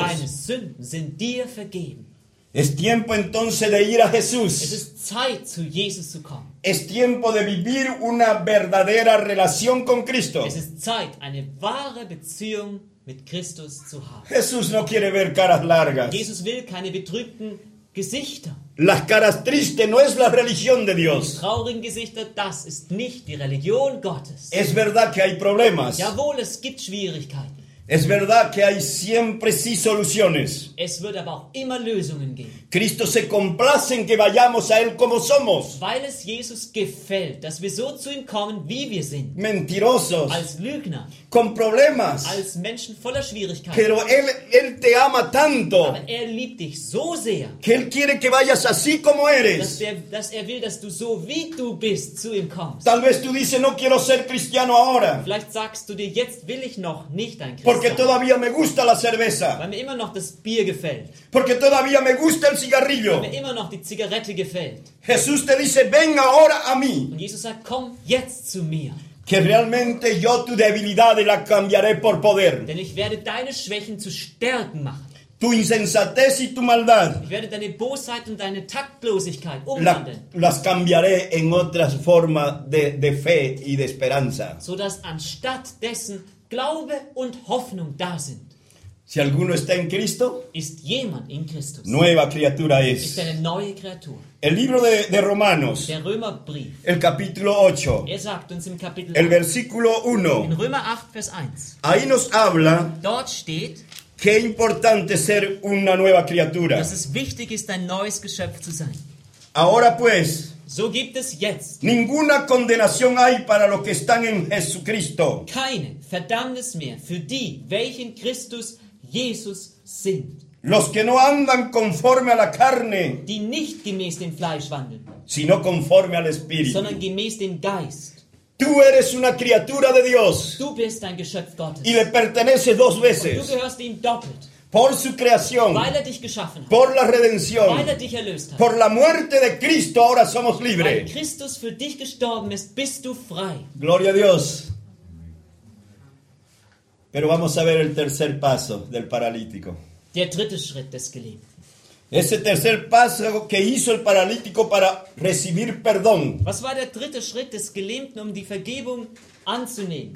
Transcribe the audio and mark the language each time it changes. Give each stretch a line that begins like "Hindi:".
German: Deine Sünden sind dir vergeben.
Spanish: Es tiempo entonces de ir a Jesús.
German: Es ist Zeit, zu Jesus zu kommen.
Spanish: Es tiempo de vivir una verdadera relación con Cristo.
German: Es ist Zeit, eine wahre Beziehung mit Christus zu haben.
Spanish: Jesús no quiere ver caras largas.
German: Jesus will keine betrübten Gesichter.
Spanish: Las caras tristes no es la religión de Dios.
German: Die traurigen Gesichter, das ist nicht die Religion Gottes.
Spanish: Es verdad que hay problemas.
German: Jawohl, es gibt Schwierigkeiten.
Spanish: Es verdad que hay siempre sí soluciones.
German: Es wird aber auch immer Lösungen geben.
Spanish: Cristo se complace en que vayamos a Él como somos.
German: Weil es Jesus gefällt, dass wir so zu ihm kommen, wie wir sind.
Spanish: Mentirosos.
German: Als Lügner.
Spanish: Con problemas.
German: Als Menschen voller Schwierigkeiten.
Spanish: Pero Él te ama tanto.
German: Aber er liebt dich so sehr.
Spanish: Que Él quiere que vayas así como eres.
German: Dass er will, dass du so wie du bist, zu ihm kommst.
Spanish: Tal vez tú dices, no quiero ser cristiano ahora.
German: Vielleicht sagst du dir, jetzt will ich noch nicht ein Christ.
Spanish: Porque todavía me gusta la cerveza.
German: Weil mir immer noch das Bier gefällt.
Spanish: Porque todavía me gusta el cigarrillo.
German: Weil mir immer noch die Zigarette gefällt.
Spanish: Jesús te dice, ven ahora a mí.
German: Und Jesus sagt, komm jetzt zu mir.
Spanish: Que realmente yo tu debilidad la cambiaré por poder.
German: Denn ich werde deine Schwächen zu Stärken machen.
Spanish: Tu insensatez y tu maldad.
German: Ich werde deine Bosheit und deine Taktlosigkeit umwandeln.
Spanish: Las cambiaré en otras formas de fe y de esperanza.
German: Sodass anstatt dessen Glaube und Hoffnung da sind.
Spanish: Si alguno está en Cristo,
German: ist jemand in Christus,
Spanish: nueva criatura es.
German: Ist eine neue Kreatur.
Spanish: El libro de Romanos,
German: der Römerbrief,
Spanish: el capítulo 8,
German: sagt uns im Kapitel,
Spanish: el versículo 1,
German: in Römer 8, Vers 1,
Spanish: ahí nos habla,
German: dort steht,
Spanish: qué importante ser una nueva criatura.
German: Dass es wichtig ist, ein neues Geschöpf zu sein.
Spanish: Ahora pues,
German: so gibt es jetzt
Spanish: ninguna condenación hay para los que están en Jesucristo.
German: Keine Verdammnis mehr für die, welche in Christus Jesus sind.
Spanish: Los que no andan conforme a la carne,
German: die nicht gemäß dem Fleisch wandeln,
Spanish: sino conforme al Espíritu,
German: sondern gemäß dem Geist.
Spanish: Tú eres una criatura de Dios.
German: Du bist ein Geschöpf Gottes.
Spanish: Y le perteneces dos veces.
German: Und du gehörst ihm doppelt.
Spanish: Por su creación.
German: Weil er dich geschaffen hat.
Spanish: Por la redención.
German: Weil er dich erlöst hat.
Spanish: Por la muerte de Cristo, ahora somos libres.
German: Weil Christus für dich gestorben ist, bist du frei.
Spanish: Gloria a Dios. Pero vamos a ver el tercer paso del paralítico.
German: Der dritte Schritt des Gelähmten.
Spanish: Ese tercer paso que hizo el paralítico para recibir perdón.
German: Was war der dritte Schritt des Gelähmten, um die Vergebung anzunehmen?